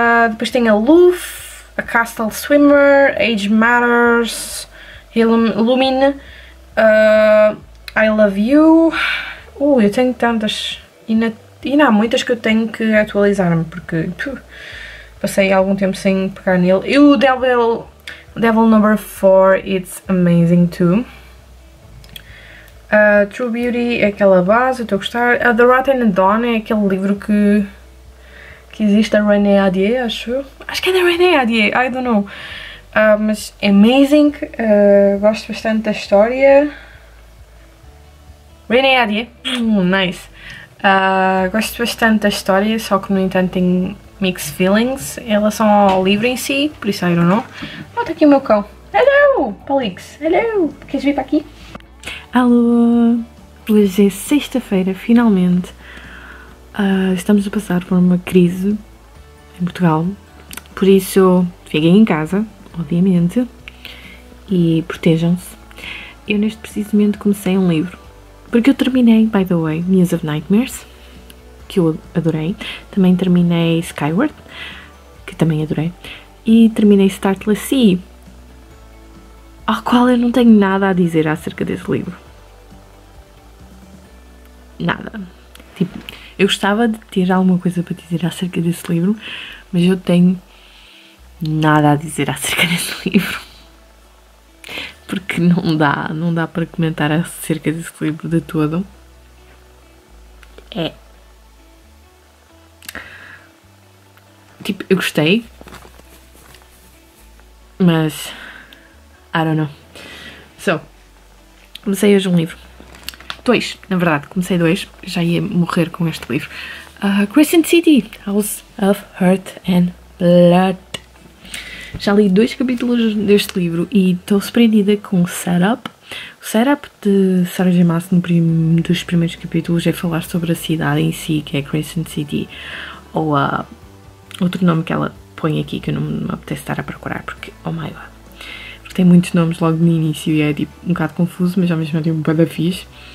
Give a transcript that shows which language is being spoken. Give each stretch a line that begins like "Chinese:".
Portuguese: Depois tem a Loof, A Castle Swimmer, Age Matters, Lumine, I Love You. Eu tenho tantas. E não há muitas que eu tenho que atualizar-me porque passei algum tempo sem pegar nele. E o Devil Number 4,
English: it's amazing too.
Portuguese: True Beauty é aquela base, eu estou a gostar. The Rotten Dawn é aquele livro que existe da Renée Adier, acho. Acho que é da Renée Adier,
English: I don't know.
Portuguese: Mas é amazing, gosto bastante da história. Renée Adier, nice. Gosto bastante da história, só que no entanto tenho
English: mixed feelings
Portuguese: em relação ao livro em si, por isso
English: I don't know.
Portuguese: Volta aqui o meu cão. Hello, Palix, hello, queres vir para aqui? Alô! Hoje é sexta-feira, finalmente. Estamos a passar por uma crise em Portugal. Por isso, fiquem em casa, obviamente. E protejam-se. Eu neste preciso momento comecei um livro. Porque eu terminei,
English: by the way,
Portuguese: Mias of Nightmares. Que eu adorei. Também terminei Skyward. Que também adorei. E terminei Starless Sea. Ao qual eu não tenho nada a dizer acerca desse livro. Nada. Tipo, eu gostava de ter alguma coisa para dizer acerca desse livro, mas eu tenho nada a dizer acerca desse livro. Porque não dá para comentar acerca desse livro de todo. É. Tipo, eu gostei. Mas,
English: I don't know. So,
Portuguese: comecei hoje um livro. Dois, na verdade, comecei dois. Já ia morrer com este livro. Crescent City, House of Hurt and Blood. Já li dois capítulos deste livro e estou surpreendida com o setup. O setup de Sarah J. Maas dos primeiros capítulos é falar sobre a cidade em si, que é Crescent City, ou outro nome que ela põe aqui que eu não me apetece estar a procurar, porque,
English: oh my god,
Portuguese: porque tem muitos nomes logo no início e é tipo, um bocado confuso, mas ao mesmo tempo um bocado fixe.